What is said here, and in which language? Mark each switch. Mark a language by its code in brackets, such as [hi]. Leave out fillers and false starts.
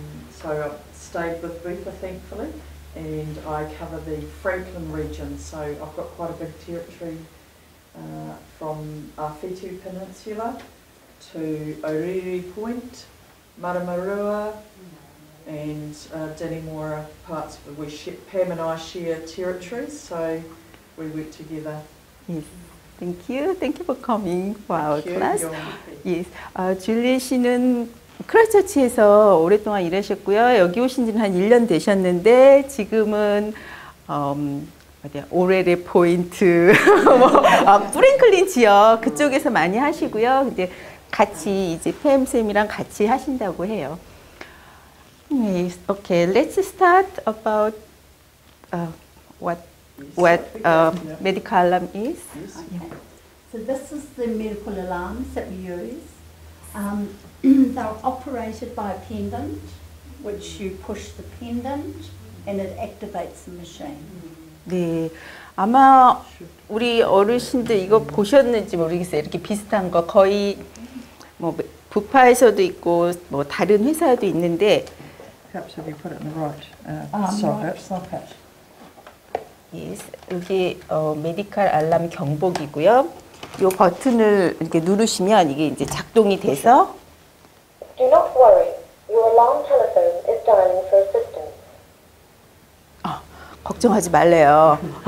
[en] So I've stayed with Bupa, thankfully, and I cover the Franklin region, so I've got quite a big territory from Awhetu Peninsula to Orere Point, Maramarua, and Dannemora, parts where we share, Pam and I share territories, so we work together. Yes. Thank you. Thank you for coming for our Thank you. class. 영 [ko] 예. 줄리 씨는 크라이스트처치에서 오랫동안 일하셨고요. 여기 오신 지는 한 1년 되셨는데 지금은 어디야? 오레레 포인트 뭐 프랭클린 지역 그쪽에서 많이 하시고요. 근데 같이 이제 팸쌤이랑 같이 하신다고 해요. 네. 오케이. [en] Let's start about what medical alarm is. Yes. Okay. So this is the medical alarms that we use. They're operated by a pendant, which you push the pendant and it activates the machine. [ko] 네. 아마 우리 어르신들 이거 보셨는지 모르겠어요. 이렇게 비슷한 거 거의 뭐 부파에서도 있고 뭐 다른 회사에도 있는데 [en] Perhaps if you put it in the right right socket. Yes. [ko] 여기 메디컬 알람 경보기고요. 이 버튼을 이렇게 누르시면 이게 이제 작동이 돼서 [en] Do not worry. Your alarm telephone is dialing for assistance. [ko] 걱정하지 말래요.